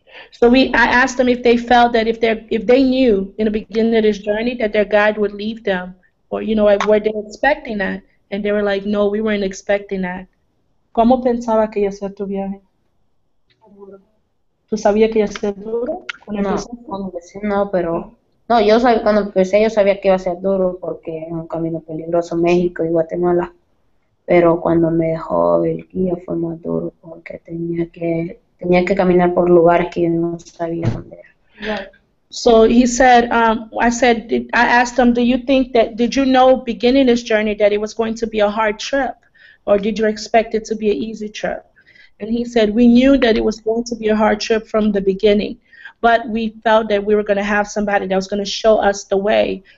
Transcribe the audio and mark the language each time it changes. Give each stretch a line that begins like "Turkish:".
English: So I asked them if they felt that if they knew in the beginning of this journey that their guide would leave them, or, you know, were they expecting that? And they were like, no, we weren't expecting that.
Spanish: ¿Cómo pensaba que iba a ser tu viaje? ¿Tú sabías que iba a ser duro? No, pero no, yo sabía, cuando empecé yo sabía que iba a ser duro porque es un camino peligroso, México y Guatemala. Pero cuando me dejó el guía fue más duro porque tenía que caminar por lugares que no sabía dónde era.
English: Right. So he said, I asked him, did you know beginning this journey that it was going to be a hard trip, or did you expect it to be an easy trip? And he said, we knew that it was going to be a hard trip from the beginning, but we felt that we were going to have somebody that was going to show us the way.